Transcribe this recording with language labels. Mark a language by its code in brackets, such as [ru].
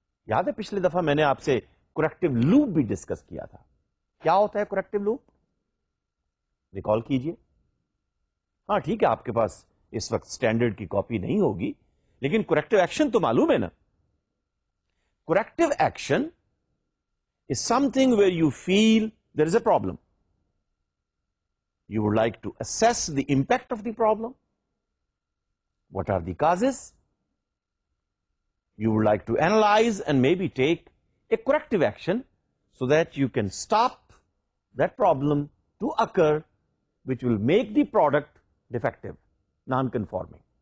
[ur] یاد ہے پچھلی دفعہ میں نے آپ سے کریکٹو لوپ بھی ڈسکس کیا تھا. کیا ہوتا ہے کریکٹو لوپ؟ ریکال کیجئے. ہاں ٹھیک ہے, آپ کے پاس اس وقت سٹینڈرڈ کی کاپی نہیں ہوگی, لیکن کریکٹو ایکشن تو معلوم ہے نا. [en] Corrective action is something where you feel there is a problem, you would like to assess the impact of the problem. What are the causes? You would like to analyze and maybe take a corrective action so that you can stop that problem to occur which will make the product defective, non-conforming.